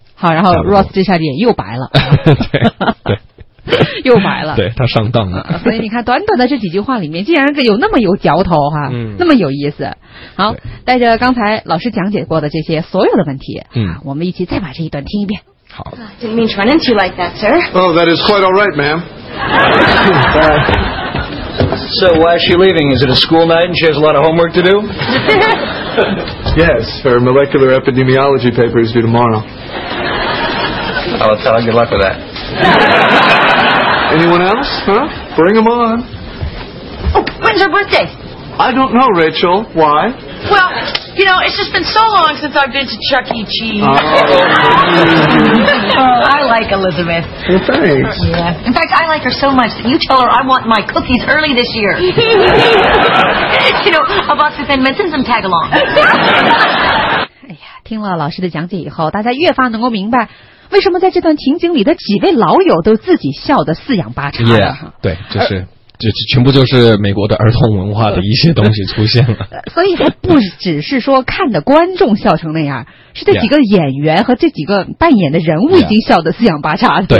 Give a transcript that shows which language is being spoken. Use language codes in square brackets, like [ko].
[zh] 好，然后 Ross 这下脸又白了。对。又买了，对，他上当了。所以你看短短的这几句话里面竟然有那么有嚼头哈，那么有意思。好，带着刚才老师讲解过的这些所有的问题，我们一起再把这一段听一遍。好。 [en] I didn't mean to run into you like that, sir. Oh, that is quite all right, ma'am. So why is she leaving? Is it a school night and she has a lot of homework to do? Yes, her molecular epidemiology paper is due tomorrow. I'll tell her good luck with that. Anyone else? Huh? Bring them on. Oh, when's her birthday? I don't know, Rachel. Why? Well, you know, it's just been so long since I've been to Chuck E. Cheese. Oh, I like Elizabeth. Well, thanks. Yeah. In fact, I like her so much that you tell her I want my cookies early this year. You know, a box of Thin Mints and some Tagalong. [zh] 哎呀，听了老师的讲解以后，大家越发能够明白为什么在这段情景里的几位老友都自己笑得四仰八叉。 Yeah， 对，就是就全部就是美国的儿童文化的一些东西出现了。所以还不只是说看的观众笑成那样，是这几个演员和这几个扮演的人物已经笑得四仰八叉了。